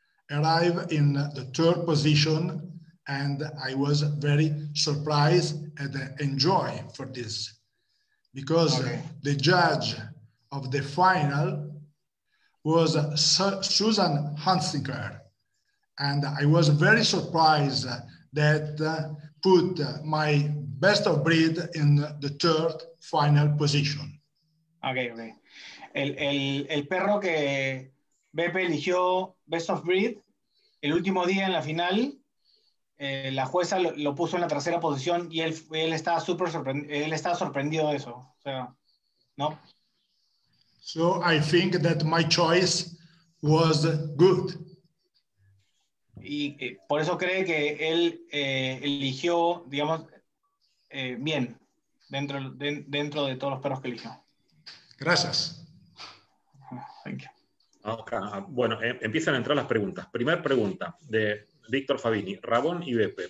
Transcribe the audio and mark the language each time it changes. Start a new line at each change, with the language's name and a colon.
English: arrive in the third position, and I was very surprised and enjoy for this, because okay, the judge of the final was Susan Hunsinger, and I was very surprised that put my best of breed in the third final position. Okay.
Spanish: El perro que Beppe eligió Best of Breed, el último día en la final, La jueza lo puso en la tercera posición y él estaba súper sorprendido, él estaba sorprendido de eso, o sea, ¿no?
English: So I think that my choice was good.
Spanish: Y por eso cree que él eligió, digamos, bien dentro de todos los perros que eligió. Gracias.
English: Thank you.
Spanish: Okay. Bueno, empiezan a entrar las preguntas. Primera pregunta de Víctor Fabini, Rabón y Beppe.